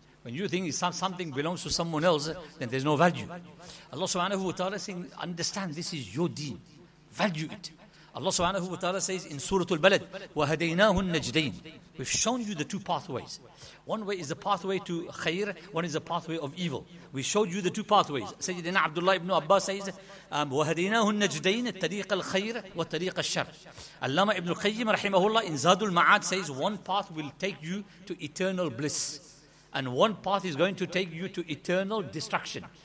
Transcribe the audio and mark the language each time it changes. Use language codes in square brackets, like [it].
[en] When you think something belongs to someone else, then there's no value. Allah subhanahu wa ta'ala saying, understand this is your deen. Value it. Allah subhanahu wa ta'ala says in Surah Al-Balad, [ar] وَهَدَيْنَاهُ النَّجْدَيْنِ. [en] We've shown you the two pathways. One way is the pathway to khair, one is the pathway of evil. We showed you the two pathways. Sayyidina Abdullah ibn Abbas says, [ar] وَهَدَيْنَاهُ النَّجْدَيْنِ التَّرِيقَ الْخَيْرِ وَالتَّرِيقَ الشَّرِ. [en] Allama ibn al-Qayyim rahimahullah in Zadul Ma'ad says, one path will take you to eternal bliss, and one path is going to take you to eternal destruction.